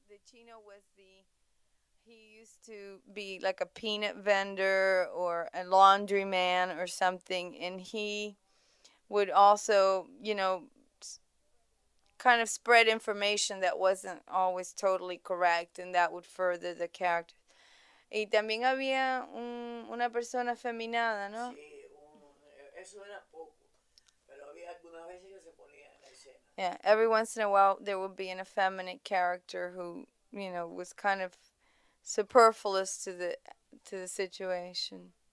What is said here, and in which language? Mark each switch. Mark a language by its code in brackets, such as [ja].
[en] Chino was the, he used to be like a peanut vendor or a laundryman or something, and he would also, you know, kind of spread information that wasn't always totally correct, and that would further the character. [es] Y también había una persona feminada, ¿no? Sí, eso era poco, pero había algunas veces que se ponía en la escena. [en] Yeah, every once in a while there would be an effeminate character who, you know, was kind of superfluous to the situation.